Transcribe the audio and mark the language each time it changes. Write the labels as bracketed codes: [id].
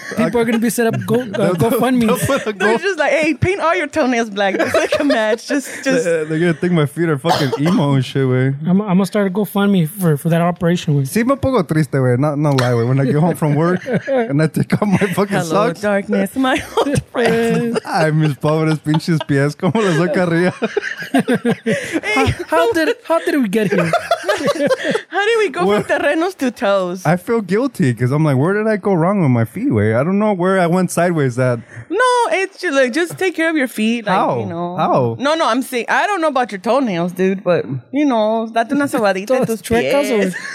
[en] People are going to be set up GoFundMe. They're just like, hey, paint all your toenails black. Like a match. Just. They're going to think my feet are fucking emo and shit, way. I'm going to start a GoFundMe for that operation. [es] Sí, me pongo triste, way. [en] No lie, [es] way. [en] When I get home from work and I take off my fucking Hello, socks. Hello, darkness, my old friend. [es] Ay, mis pobres pinches pies. ¿Cómo les doy arriba? [en] Hey, How did we get here? How did we go from terrenos to toes? I feel guilty because I'm like, where did I go wrong with my feet? Where I don't know where I went sideways at. No, it's just like, just take care of your feet. Like, how? You know. How? No, no, I'm saying, I don't know about your toenails, dude, but you know, [es] date una sobadita en tus pies.